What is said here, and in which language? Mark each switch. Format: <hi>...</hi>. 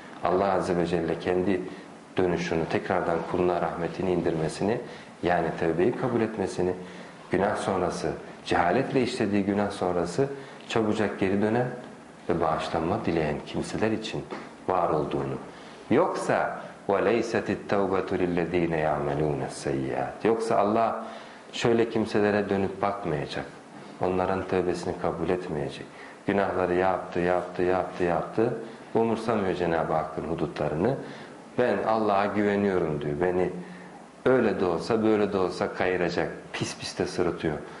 <tr>Allah Azze ve Celle kendi dönüşünü, tekrardan kuluna rahmetini indirmesini, yani tevbeyi kabul etmesini, günah sonrası, cehaletle işlediği günah sonrası çabucak geri dönen ve bağışlanma dileyen kimseler için var olduğunu. Yoksa</tr> <ar>وَلَيْسَتِ التَّوْبَةُ لِلَّذ۪ينَ يَعْمَلُونَ السَّيِّيَاتِ.</ar> <tr>Yoksa Allah şöyle kimselere dönüp bakmayacak, onların tövbesini kabul etmeyecek. Günahları yaptı, umursamıyor Cenab-ı Hakk'ın hudutlarını. Ben Allah'a güveniyorum diyor, beni öyle de olsa böyle de olsa kayıracak, pis pis de sırıtıyor.</tr>